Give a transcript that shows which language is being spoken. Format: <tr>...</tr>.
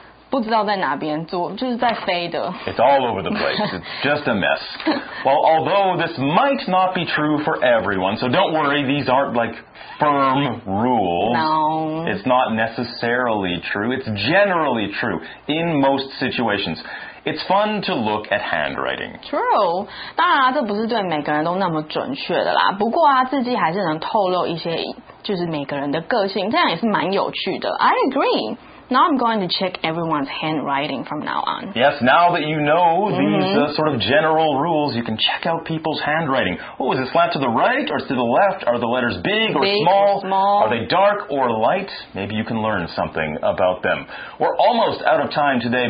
<zh>不知道在哪边做，就是在飞的。</zh> <en>It's all over the place. It's just a mess. Well, although this might not be true for everyone, so don't worry, these aren't like firm rules. No. It's not necessarily true. It's generally true in most situations. It's fun to look at handwriting. True.</en> <zh>当然啊，这不是对每个人都那么准确的啦。不过啊，字迹还是能透露一些就是每个人的个性，这样也是蛮有趣的。</zh> <en>I agree. Now I'm going to check everyone's handwriting from now on. Yes, now that you know these sort of general rules, you can check out people's handwriting. Oh, is it flat to the right or to the left? Are the letters big or small? Are they dark or light? Maybe you can learn something about them. We're almost out of time today.</en>